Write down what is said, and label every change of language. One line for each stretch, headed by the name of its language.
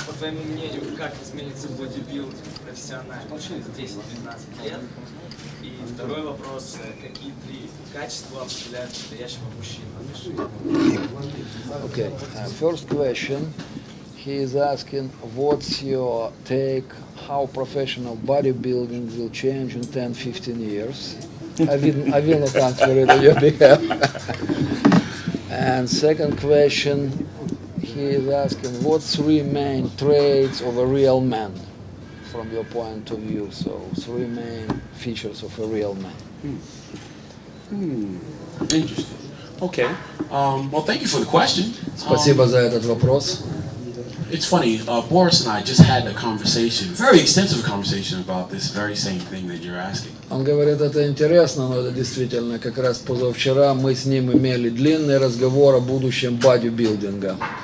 Russian: По твоему мнению, как изменится бодибилд профессионально через 10-12 лет? И второй вопрос, какие три качества определяют настоящего мужчину?
English: Okay, first question. He is asking, what's your take, how professional bodybuilding will change in 10-15 years? I will not answer it on your behalf. And second question. He is asking, what three main traits of a real man, from your point of view? So, three main features of a real man. Interesting. Okay. Well, thank you for the question.
Russian: Спасибо за этот вопрос.
English: It's funny, Boris and I just had a conversation, very extensive conversation about this very same thing that you're asking.
Russian: Он говорит, это интересно, но это действительно, как раз позавчера мы с ним имели длинный разговор о будущем бодибилдинга.